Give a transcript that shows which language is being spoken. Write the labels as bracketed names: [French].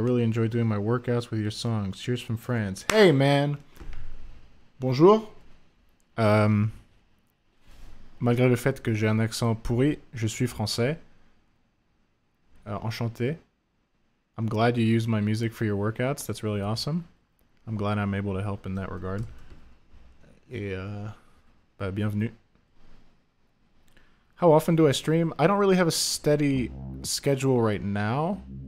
[English] Really enjoy doing my workouts with your songs. Cheers from France. Hey, man. [French] Bonjour. Malgré le fait que j'ai un accent pourri, je suis français. Enchanté. [English] I'm glad you use my music for your workouts. That's really awesome. I'm glad I'm able to help in that regard. [French] Et, bah, bienvenue. [English] How often do I stream? I don't really have a steady schedule right now.